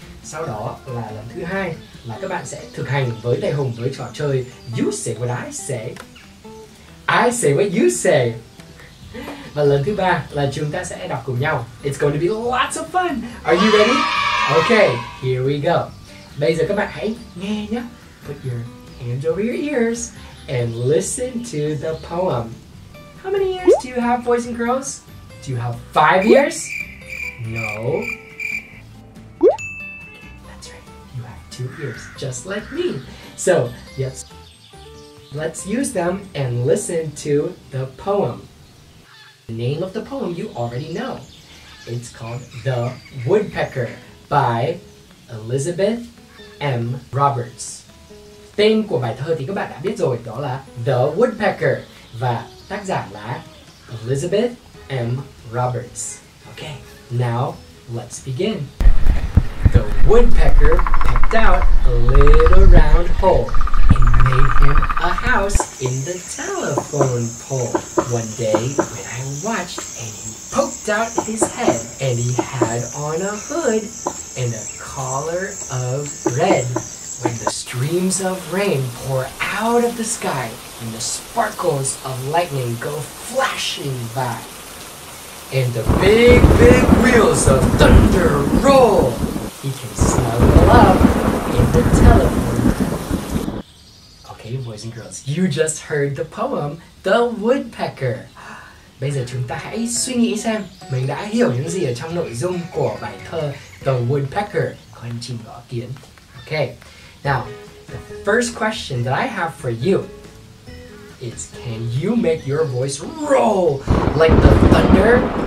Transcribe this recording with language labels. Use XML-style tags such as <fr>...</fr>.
<vi>Sau đó là lần thứ hai là các bạn sẽ thực hành với thầy Hùng với trò chơi You Say What I Say.</vi> <en>I say what you say.</en> <vi>Và lần thứ ba là chúng ta sẽ đọc cùng nhau.</vi> <en>It's going to be lots of fun. Are you ready? Okay, here we go.</en> <vi>Bây giờ các bạn hãy nghe nhé.</vi> <en>Put your hands over your ears and listen to the poem. How many ears do you have, boys and girls? Do you have 5 ears? No. That's right. You have 2 ears, just like me. So, yes. Let's use them and listen to the poem. The name of the poem you already know. It's called The Woodpecker by Elizabeth M. Roberts.</en> <vi>Tên của bài thơ thì các bạn đã biết rồi, đó là The Woodpecker. Và tác giả là Elizabeth M.</vi> <en>Roberts. Okay, now let's begin. The woodpecker pecked out a little round hole. Made him a house in the telephone pole. One day when I watched and he poked out his head and he had on a hood and a collar of red. When the streams of rain pour out of the sky and the sparkles of lightning go flashing by and the big, big wheels of thunder roll, he can snuggle up in the telephone. Boys and girls, you just heard the poem The Woodpecker.</en> <vi>Bây giờ chúng ta hãy suy nghĩ xem mình đã hiểu những gì ở trong nội dung của bài thơ The Woodpecker, con chim gõ kiến.</vi> <en>Okay, now the first question that I have for you is, can you make your voice roll like the thunder?</en>